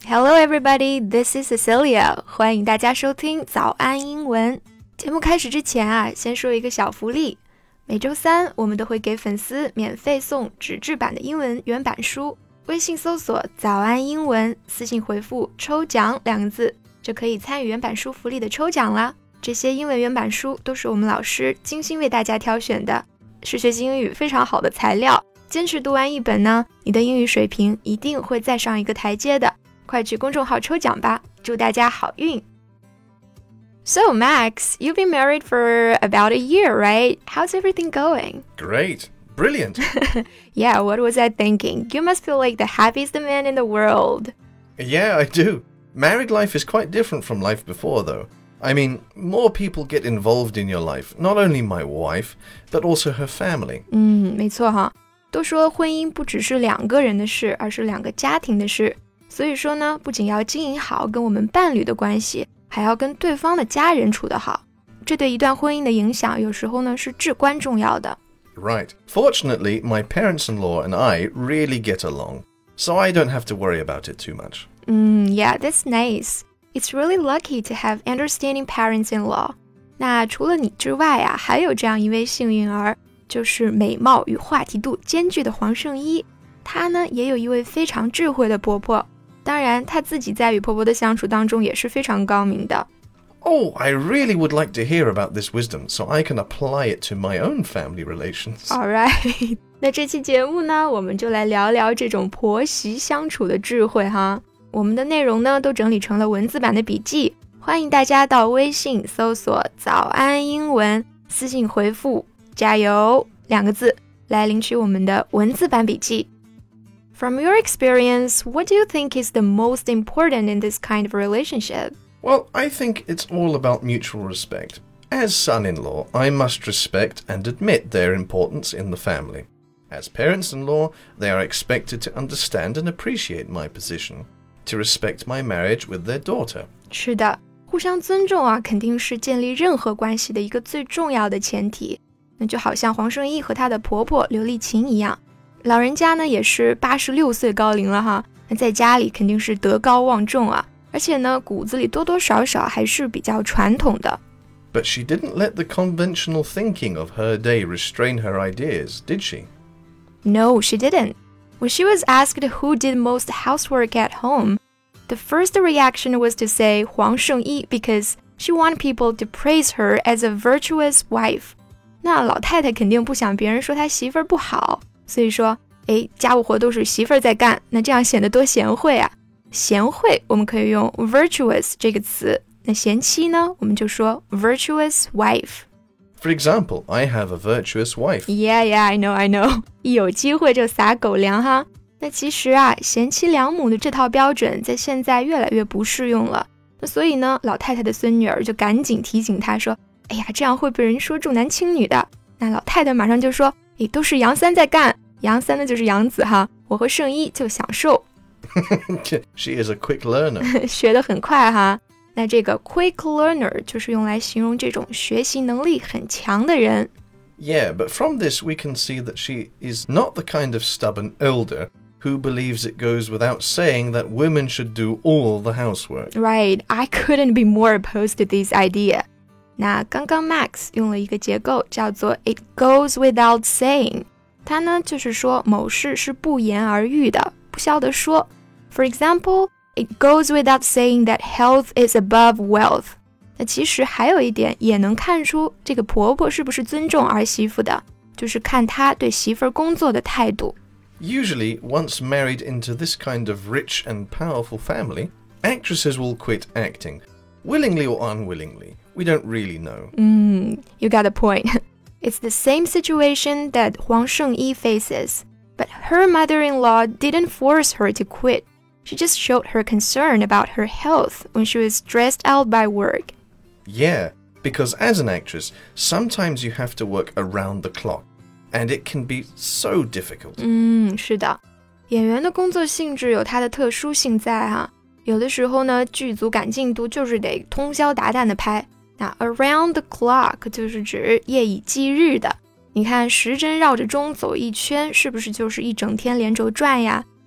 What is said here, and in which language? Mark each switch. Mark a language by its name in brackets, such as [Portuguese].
[English] Hello everybody, this is Cecilia. [Chinese] 欢迎大家收听早安英文。节目开始之前啊，先说一个小福利。每周三我们都会给粉丝免费送纸质版的英文原版书。微信搜索早安英文，私信回复抽奖两个字，就可以参与原版书福利的抽奖啦。这些英文原版书都是我们老师精心为大家挑选的，是学习英语非常好的材料。坚持读完一本呢，你的英语水平一定会再上一个台阶的。快去公众号抽奖吧，祝大家好运。 [English] So Max, you've been married for about a year, right? How's everything going? Great, brilliant. Yeah, what was I thinking? You must feel like the happiest man in the world. Yeah, I do. Married life is quite different from life before, though. I mean, more people get involved in your life, not only my wife, but also her family. [Chinese] 没错哈。都说婚姻不只是两个人的事，而是两个家庭的事。所以说呢，不仅要经营好跟我们伴侣的关系，还要跟对方的家人处得好。这对一段婚姻的影响有时候呢是至关重要的。 [English] Right. Fortunately, my parents-in-law and I really get along, so I don't have to worry about it too much. Yeah, that's nice. It's really lucky to have understanding parents-in-law. [Chinese] 那除了你之外啊，还有这样一位幸运儿。就是美貌与话题度兼具的黄圣依，她呢也有一位非常智慧的婆婆，当然她自己在与婆婆的相处当中也是非常高明的。 [English] Oh, I really would like to hear about this wisdom so I can apply it to my own family relations. [Chinese] Alright, 那这期节目呢，我们就来聊聊这种婆媳相处的智慧哈。我们的内容呢都整理成了文字版的笔记，欢迎大家到微信搜索早安英文，私信回复加油两个字来领取我们的文字版笔记。 [English] From your experience, what do you think is the most important in this kind of relationship? Well, I think it's all about mutual respect. As son-in-law, I must respect and admit their importance in the family. As parents-in-law, they are expected to understand and appreciate my position, to respect my marriage with their daughter. [Chinese] 是的，互相尊重啊，肯定是建立任何关系的一个最重要的前提。那就好像黄圣依和她的婆婆刘丽琴一样，老人家呢也是86岁高龄了哈，那在家里肯定是德高望重啊，而且呢骨子里多多少少还是比较传统的。 [English] But she didn't let the conventional thinking of her day restrain her ideas, did she? No, she didn't. When she was asked who did most housework at home, the first reaction was to say 黄圣依 because she wanted people to praise her as a virtuous wife. [Chinese] 那老太太肯定不想别人说她媳妇儿不好，所以说，哎，家务活都是媳妇儿在干，那这样显得多贤惠啊。贤惠我们可以用 virtuous 这个词，那贤妻呢，我们就说 virtuous wife. [English] For example, I have a virtuous wife. Yeah, yeah, I know. [Chinese] 一有机会就撒狗粮哈。那其实啊，贤妻良母的这套标准在现在越来越不适用了。那所以呢，老太太的孙女儿就赶紧提醒她说，哎呀，这样会被人说重男轻女的。那老太太马上就说，哎，都是杨三在干，杨三呢就是杨子哈，我和圣依就享受。 [English] She is a quick learner. [Chinese] 学得很快哈。那这个 quick learner 就是用来形容这种学习能力很强的人。 [English] Yeah, but from this we can see that she is not the kind of stubborn elder who believes it goes without saying that women should do all the housework. Right, I couldn't be more opposed to this idea. [Chinese] 那刚刚 Max 用了一个结构叫做 it goes without saying， 它呢就是说某事是不言而喻的，不消得说。 [English] For example, it goes without saying that health is above wealth。 [Chinese] 那其实还有一点也能看出这个婆婆是不是尊重儿媳妇的，就是看她对媳妇工作的态度。 [English] Usually, once married into this kind of rich and powerful family, actresses will quit acting, willingly or unwillingly. We don't really know. You got a point. It's the same situation that Huang Shengyi faces, but her mother-in-law didn't force her to quit. She just showed her concern about her health when she was stressed out by work. Yeah, because as an actress, sometimes you have to work around the clock, and it can be so difficult. [Chinese] 是的，演员的工作性质有它的特殊性在哈。有的时候呢，剧组赶进度就是得通宵达旦的拍。那 around the clock 就是指夜以继日的，你看时针绕着钟走一圈，是不是就是一整天连轴转呀？